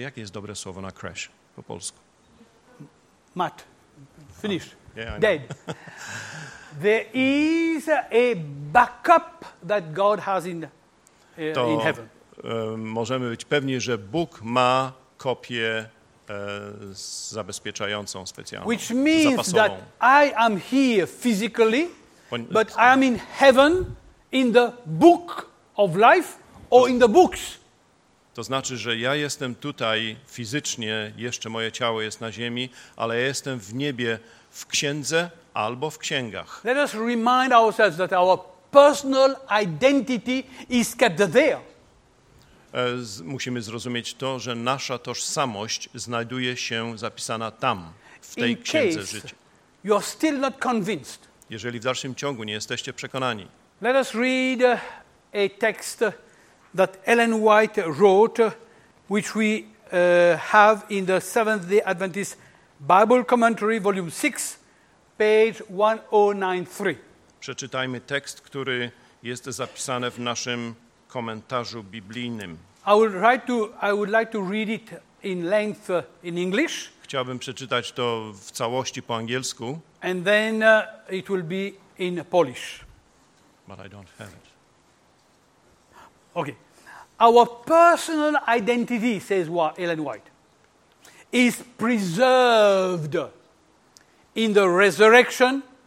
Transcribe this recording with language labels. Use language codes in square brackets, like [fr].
[pl] Jakie jest dobre słowo na crash po polsku? [en] Mat. Finish. Yeah, dead. There is a backup that God has in heaven. [pl] Możemy być pewni, że Bóg ma kopię zabezpieczającą specjalną. [en] Which means [pl] zapasową. [en] That I am here physically, but I am in heaven. In the book of life or in the books. [pl] To znaczy, że ja jestem tutaj fizycznie, jeszcze moje ciało jest na ziemi, ale ja jestem w niebie w księdze albo w księgach. [en] Let us remind ourselves that our personal identity is kept there. [pl] Musimy zrozumieć to, że nasza tożsamość znajduje się zapisana tam, w tej [en] in [pl] księdze życia. [en] You are still not convinced. [pl] Jeżeli w dalszym ciągu nie jesteście przekonani. [en] Let us read a text that Ellen White wrote, which we have in the Seventh-day Adventist Bible Commentary, volume 6, page 1093. [pl] Przeczytajmy tekst, który jest zapisany w naszym komentarzu biblijnym. [en] I would like to read it in length in English. [pl] Chciałbym przeczytać to w całości po angielsku. [en] And then it will be in Polish. But I don't have it. Okay. Our personal identity, says Ellen White, is preserved in the resurrection